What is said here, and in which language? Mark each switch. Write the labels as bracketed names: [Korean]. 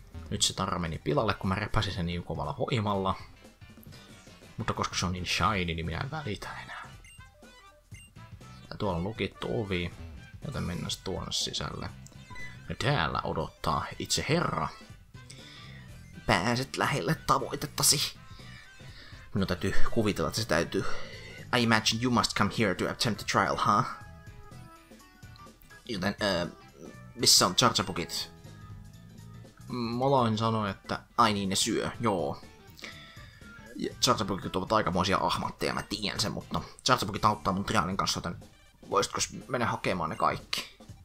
[Finnish] Nyt se tarra meni pilalle, kun mä repäsin sen niin kovalla voimalla. Mutta koska se on niin shiny, niin minä en välitä enää. Ja tuolla on lukittu ovi, joten mennään tuonne sisälle. Ja täällä odottaa itse herra. Pääset lähelle tavoitettasi. Minun täytyy kuvitella, että se täytyy. [English] I imagine you must come here to attempt the trial, huh? [Finnish] Joten, missä on Chargebugit? Malain sanoi, että ai niin ne syö, joo. Chargebugit ovat aikamoisia ahmatteja, mä tiedän sen, mutta Chargebugit auttaa mun trialin kanssa, joten voisitko mennä hakemaan ne kaikki?